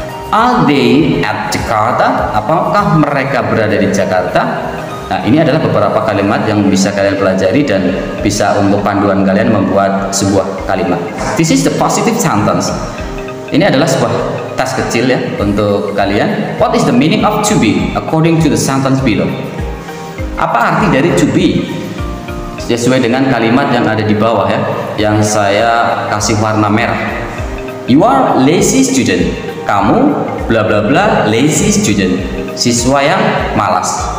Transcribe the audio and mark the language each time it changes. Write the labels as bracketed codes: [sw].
[en] Are they at Jakarta? [id] Apakah mereka berada di Jakarta? Nah, ini adalah beberapa kalimat yang bisa kalian pelajari dan bisa untuk panduan kalian membuat sebuah kalimat. [en] This is the positive sentence. [id] Ini adalah sebuah tes kecil ya untuk kalian. [en] What is the meaning of to be according to the sentence below? [id] Apa arti dari to be? Sesuai dengan kalimat yang ada di bawah ya, yang saya kasih warna merah. [en] You are lazy student. [id] Kamu bla bla bla lazy student. Siswa yang malas.